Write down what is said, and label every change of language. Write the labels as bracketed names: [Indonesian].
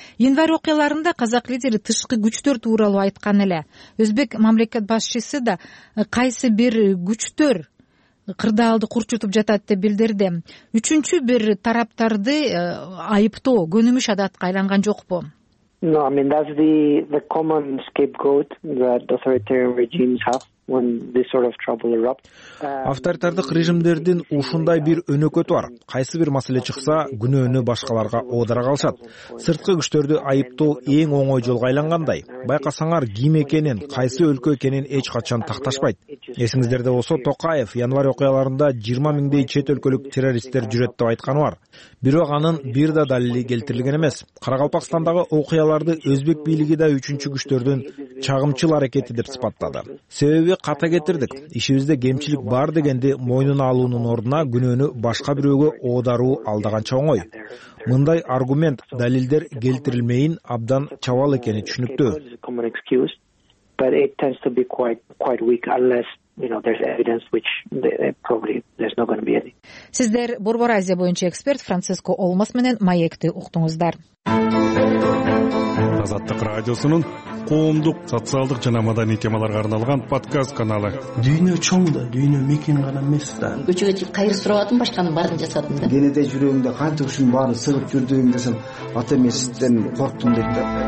[Kyrgyz] Январь окуяларында казак лидери тышкы күчтөр тууралуу айткан эле. Өзбек мамлекет башчысы да кайсы бир күчтөр кырдаалды курчутуп жатат деп билдирди. Үчүнчү бир тараптарды айыптоо көнүмүш адатка айланган жокпу? [English] No, I mean that's the common scapegoat that authoritarian regimes have. [Kyrgyz] Авторитардык режимдердин ушундай бир өнөкөтү бар. Кайсы бир маселе чыкса, күнөөнү башкаларга оодара калышат. Сырткы күчтөрдү айыптоо эң оңой жолго айлангандай. Байкасаңар, ким экенин, кайсы өлкө экенин эч качан такташпайт. Эсиңиздерде болсо, Токаев январь окуяларында 20 миңдей чет өлкөлүк террористтер жүрөт деп айтканы бар. Бирок анын бир да далили келтирилген эмес. Карагалпакстандагы окуяларды өзбек бийлиги да үчүнчү күчтөрдүн чагымчыл аракети деп сыпаттады. Себеби ката кетирдик. Ишибизде кемчилик бар дегенди мойнуна алуунун ордуна күнөөнү башка бирөөгө оодаруу алдаганча оңой. Мындай аргумент, далилдер келтирилмейин абдан чабал экени түшүнүктүү. [English] you know, there's evidence which probably there's not going to be any. [Kyrgyz] Сиздер Борборазия боюнча эксперт Франциско Олмас менен маекти уктуңуздар. Азаттык радиосунун коомдук, социалдык жана маданий темаларга арналган подкаст каналы. Дүйнө чоң да, дүйнө мекен гана эмес да. Көчөгө чыгып кайыр сурап атам, башканын баарын жасадым да. Денеде жүрөгүмдө кантип ушун баарын сыгып жүрдүм десем, ата мерсиптен корктум деп да.